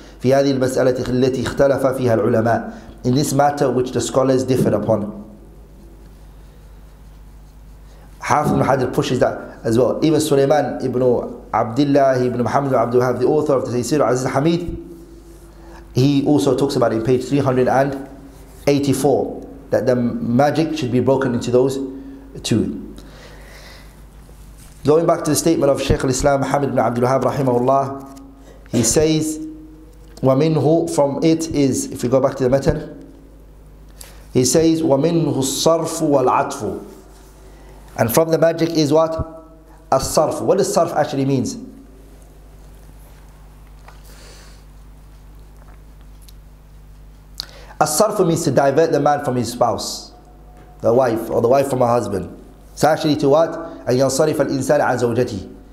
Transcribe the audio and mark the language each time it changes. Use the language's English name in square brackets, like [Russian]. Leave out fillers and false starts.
[Arabic] في هذه المسألة التي اختلف فيها العلماء. [English] In this matter which the scholars differed upon. Hafiz ibn Hajar pushes that as well. Even Sulaiman ibn Abdullah ibn Muhammad ibn Abdul Wahhab, the author of the Tafsir Aziz al-Hamid, he also talks about it in page 384 that the magic should be broken into those two. Going back to the statement of Shaykh al-Islam Muhammad ibn Abdul Wahhab rahimahullah, he says, وَمِنْهُ from it is, if you go back to the matter, he says, [Arabic] وَمِنْهُ الصَّرْفُ وَالْعَطْفُ. [English] And from the magic is what? الصرف. What does الصرف actually means? الصرف means to divert the man from his spouse, the wife, or the wife from her husband. It's actually to what? [Arabic] أن ينصرف الإنسان عن زوجته.